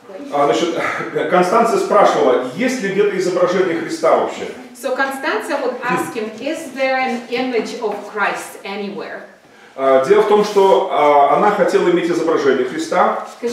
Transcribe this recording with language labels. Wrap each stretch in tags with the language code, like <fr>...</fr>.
<ru>Значит, Констанция спрашивала, есть ли где-то изображение Христа вообще?</ru> <en>So Constanza would ask him, is there an image of Christ anywhere?</en> <ru>Дело в том, что она хотела иметь изображение Христа.</ru>